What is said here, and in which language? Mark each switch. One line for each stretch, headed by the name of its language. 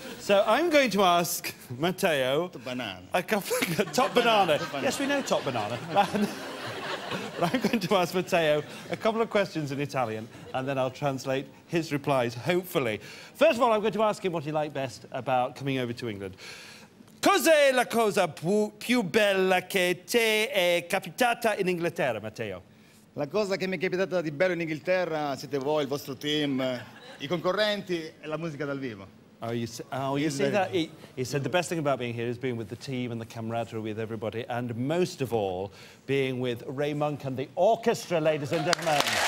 English: So I'm going to ask Matteo... Yes, we know top banana. But I'm going to ask Matteo a couple of questions in Italian and then I'll translate his replies, hopefully. First of all, I'm going to ask him what he liked best about coming over to England.
Italian: Cos'è la cosa più bella che te è capitata in Inghilterra, Matteo? La cosa che mi è capitata di bello in Inghilterra siete voi, il vostro team, i concorrenti e la musica dal vivo.
English: He said the best thing about being here is being with the team and the camaraderie with everybody, and most of all, being with Ray Monk and the orchestra, ladies and gentlemen.